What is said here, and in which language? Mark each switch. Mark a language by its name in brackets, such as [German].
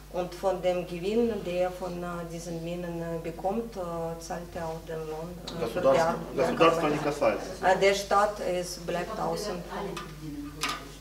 [German] Und von dem Gewinn, der von diesen Minen bekommt, zahlt er auch den Lohn. [Russian] Государство не касается. [German] Der Staat ist, bleibt außen vor.